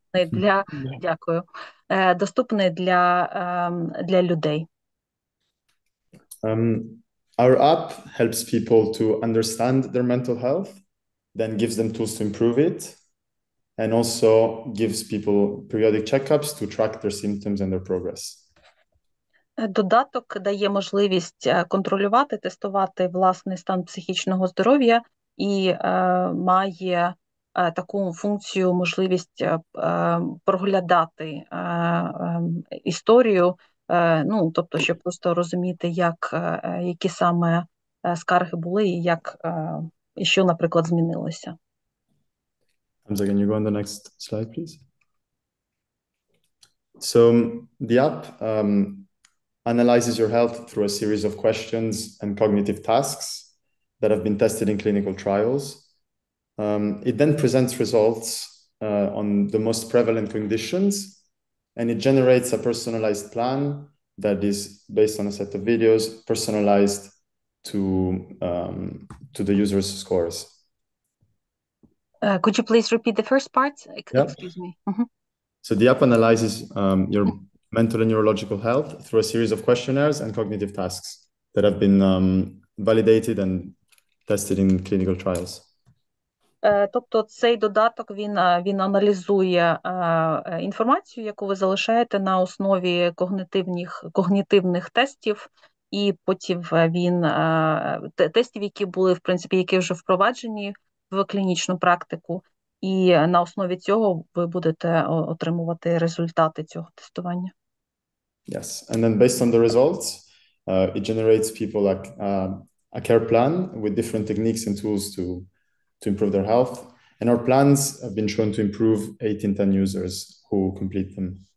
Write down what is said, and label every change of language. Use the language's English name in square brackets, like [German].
[Ukrainian] для, дякую, доступний для, для людей. [English] Our app helps people to understand their mental health, then gives them tools to improve it, and also gives people periodic checkups to track their symptoms and their progress. [Ukrainian] Додаток дає можливість контролювати, тестувати власний стан психічного здоров'я і має таку функцію, можливість проглядати історію, ну, тобто, щоб просто розуміти, як, які саме скарги були і як, що, наприклад, змінилося. [English] Hamza, can you go on the next slide, please? So the app analyzes your health through a series of questions and cognitive tasks that have been tested in clinical trials. It then presents results on the most prevalent conditions, and it generates a personalized plan that is based on a set of videos, personalized to the user's scores. Could you please repeat the first part? Excuse me. Mm-hmm. So the app analyzes your mental and neurological health through a series of questionnaires and cognitive tasks that have been validated and tested in clinical trials. [Ukrainian] Тобто цей додаток, він аналізує інформацію, яку ви залишаєте на основі когнітивних тестів, і потім він тестів, які були, в принципі, які вже впроваджені в клінічну практику, і на основі цього ви будете отримувати результати цього тестування. [English] Yes, and then based on the results, it generates people like a care plan with different techniques and tools to improve their health. And our plans have been shown to improve 8 in 10 users who complete them.